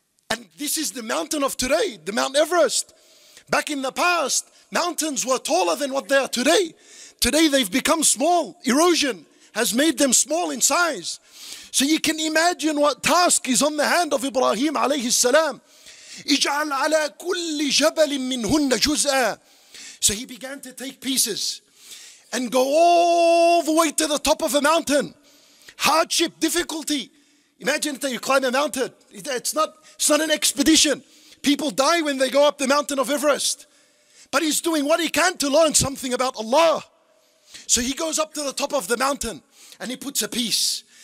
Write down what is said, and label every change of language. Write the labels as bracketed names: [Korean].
[English] And this is the mountain of today, the Mount Everest. Back in the past, mountains were taller than what they are today. Today they've become small. Erosion has made them small in size. So you can imagine what task is on the hand of Ibrahim alayhi salam. [Arabic] اجعل على كل جبل منهن جزءا. [English] So he began to take pieces and go all the way to the top of a mountain. Hardship, difficulty. Imagine that you climb a mountain. It's not an expedition. People die when they go up the mountain of Everest. But he's doing what he can to learn something about Allah. So he goes up to the top of the mountain and he puts a piece.